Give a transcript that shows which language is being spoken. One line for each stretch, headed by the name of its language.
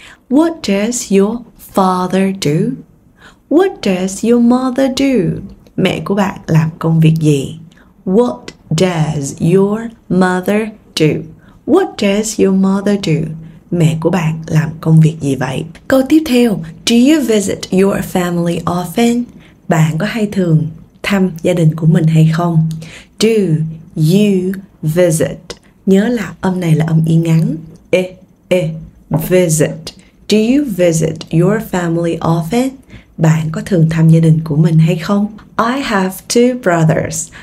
English: What does your father do? What does your mother do?
Vietnamese: Mẹ của bạn làm công việc gì?
English: What does your mother do? What does your mother do?
Vietnamese: Mẹ của bạn làm công việc gì vậy? Câu tiếp theo,
English: do you visit your family often?
Vietnamese: Bạn có hay thường thăm gia đình của mình hay không?
English: Do you visit?
Vietnamese: Nhớ là âm này là âm y ngắn.
English: E, e, visit. Do you visit your family often?
Vietnamese: Bạn có thường thăm gia đình của mình hay không?
English: I have two brothers.